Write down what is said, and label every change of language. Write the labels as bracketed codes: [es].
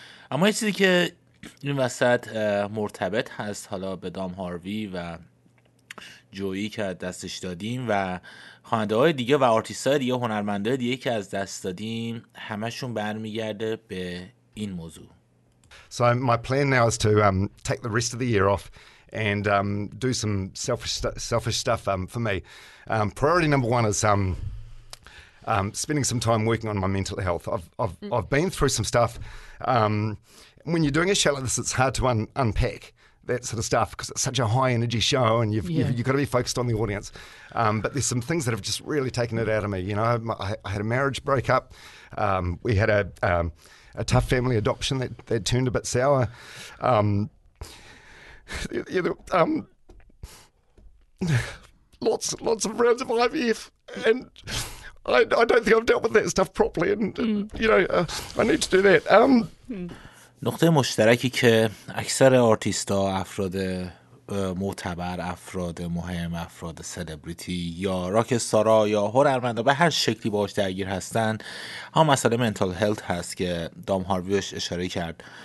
[fa] اما یه چیزی که این وسط مرتبط هست حالا به دام هاروی و جویی که دستش دادیم و خوانده های دیگه و آرتیست های دیگه، هنرمند های دیگه که از دست دادیم، همشون برمیگرده به این موضوع. [en] So my plan now is to take the rest of the year off and do some selfish stuff for me. Priority number one is spending some time working on my mental health. I've been through some stuff. When you're doing a show like this, it's hard to unpack that sort of stuff because it's such a high energy show and you've got to be focused on the audience. But there's some things that have just really taken it out of me. You know, I had a marriage breakup. We had a tough family adoption that turned a bit sour. lots of rounds of IVF and I don't think I've dealt with that stuff properly and you know, I need to do that. [fa] نقطه مشترکی که اکثر آرتیست ها، افراد معتبر، افراد مهم، افراد سلبریتی یا راکستارا یا هنرمندا به هر شکلی باهاش درگیر هستن، ها مسئله منتال هلت هست که دام هارویش اشاره کرد.